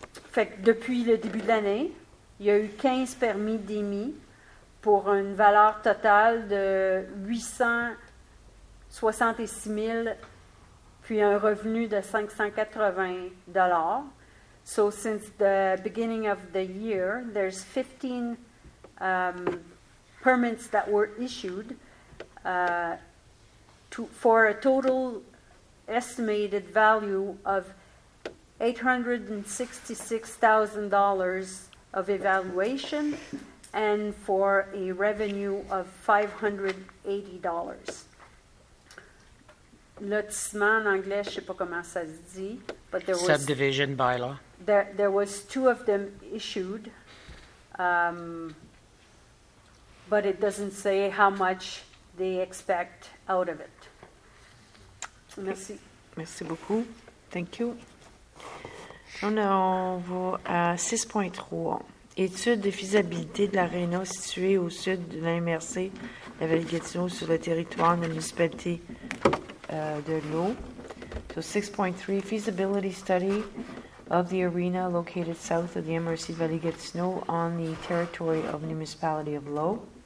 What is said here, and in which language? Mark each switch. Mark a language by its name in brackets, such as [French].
[French] Fait que depuis le début de l'année, il y a eu 15 permis d'émis pour une valeur totale de 866 000, puis un revenu de 580 $. [English] So since the beginning of the year, there's 15 permits that were issued for a total estimated value of $866,000 of evaluation and for a revenue of $580. [French] Lotissement en anglais, je sais pas comment ça se dit, [English] but there was subdivision bylaw. There was two of them issued, but it doesn't say how much they expect out of it. [French] Merci. Merci beaucoup. [English] Thank you. [French] On va à 6.3. Étude de faisabilité de l'aréna située au sud de la MRC, la Vallée Gatineau, sur le territoire de la municipalité de l'eau. [English] So 6.3, feasibility study of the arena located south of the MRC Valley Gatineau on the territory of the municipality of Low.